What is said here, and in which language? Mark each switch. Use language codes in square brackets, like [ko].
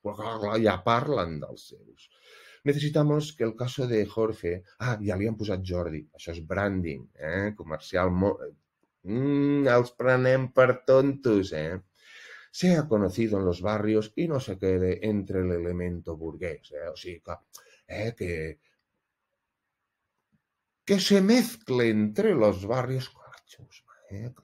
[ca] Però clar, ja parlen dels seus. [es] Necesitamos que el caso de Jorge... [ca] Ah, ja li han posat Jordi, això és branding, comercial... els prenem per tontos, [es] sea conocido en los barrios y no se quede entre el elemento burgués, ¿eh? O sea, que se mezcle entre los barrios con la chusma, ¿eh?